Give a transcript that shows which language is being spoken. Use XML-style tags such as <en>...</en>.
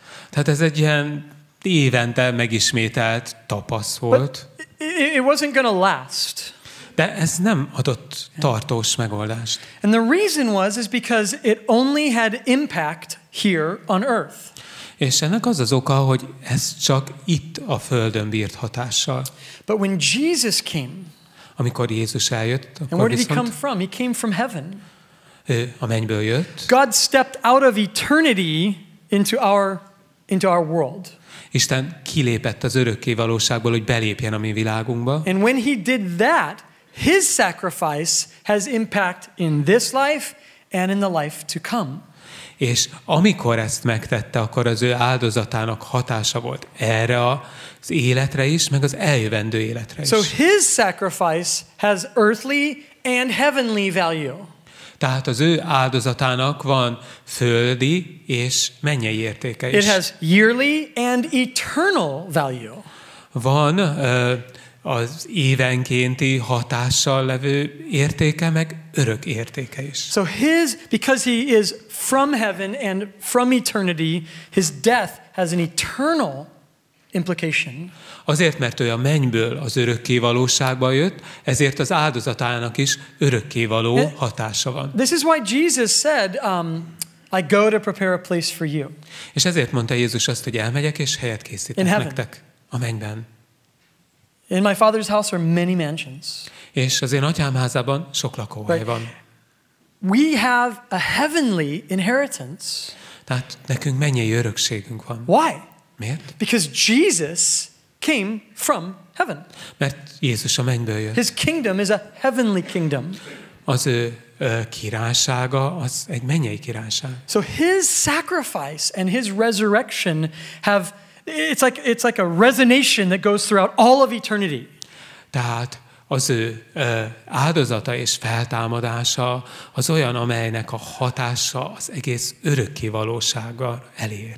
<hu>Tehát ez egy ilyen évente megismételt tapasz volt.</hu> <en>But it wasn't going to last.</en> <hu>De ez nem adott tartós megoldást.</hu> <en>And the reason was is because it only had impact here on earth.</en> <hu>És ennek az az oka, hogy ez csak itt a Földön bírt hatással.</hu> <en>But when Jesus came,</en> <hu>amikor Jézus eljött, akkor</hu> <en>and where did he come from? He came from heaven.</en> <hu>Ő a mennyből jött.</hu> <en>God stepped out of eternity into our world.</en> <hu>Isten kilépett az örökké valóságból, hogy belépjen a mi világunkba.</hu> <en>And when he did that, his sacrifice has impact in this life and in the life to come.</en> <hu>És amikor ezt megtette, akkor az ő áldozatának hatása volt erre az életre is, meg az eljövendő életre is.</hu> <en>So his sacrifice has earthly and heavenly value.</en> <hu>Tehát az ő áldozatának van földi és mennyei értéke is.</hu> <en>It has yearly and eternal value.</en> <hu>Van az évenkénti hatással levő értéke, meg örök értéke is.</hu> <en>So his, because he is from heaven and from eternity, his death has an eternal implication.</en> <hu>Azért, mert ő a mennyből az örökké valóságba jött, ezért az áldozatának is örökké való hatása van.</hu> <en>This is why Jesus said, I go to prepare a place for you.</en> <hu>És ezért mondta Jézus azt, hogy elmegyek és helyet készítek</hu> <en>in</en> <hu>nektek a mennyben.</hu> <en>In my father's house are many mansions.</en> <hu>És az én atyám házában sok lakóhely van.</hu> <en>We have a heavenly inheritance.</en> <hu>Tehát nekünk mennyei örökségünk van.</hu> <en>Why?</en> <hu>Miért?</hu> <en>Because Jesus came from heaven.</en> <hu>Mert Jézus a mennyből jött.</hu> <en>His kingdom is a heavenly kingdom.</en> <hu>Az ő királysága az egy mennyei királyság.</hu> <en>So his sacrifice and his resurrection have it's like a resonation that goes throughout all of eternity.</en> <hu>Tehát az ő áldozata és feltámadása az olyan, amelynek a hatása az egész örökké valósággal elér.</hu>